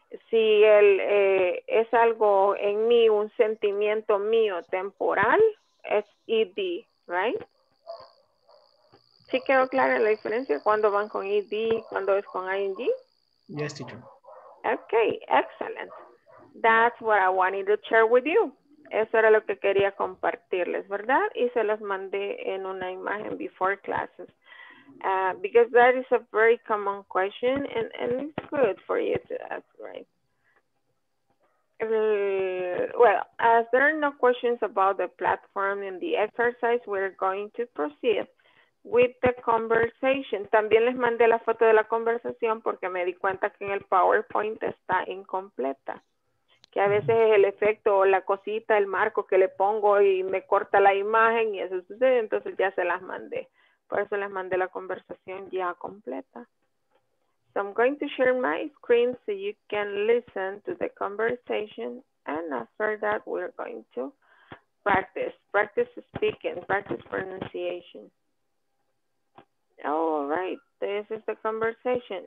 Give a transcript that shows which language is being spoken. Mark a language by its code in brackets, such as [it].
[es] Si el es algo en mí, un sentimiento mío temporal, es ed, right? ¿Sí quedó clara la diferencia cuando van con ed, cuando es con ing? [en] Yes, teacher. Okay, excellent. That's what I wanted to share with you. [es] Eso era lo que quería compartirles, ¿verdad? Y se los mandé en una imagen [en] before classes. Because that is a very common question, and it's good for you to ask, right? Well, as there are no questions about the platform and the exercise, we're going to proceed with the conversation. [es] También les mandé la foto de la conversación porque me di cuenta que en el PowerPoint está incompleta. Que a veces es el efecto o la cosita, el marco que le pongo y me corta la imagen y eso sucede, entonces ya se las mandé. Por eso les mandé la conversación ya completa. [en] So I'm going to share my screen so you can listen to the conversation. And after that, we're going to practice. Practice speaking, practice pronunciation. All right, this is the conversation.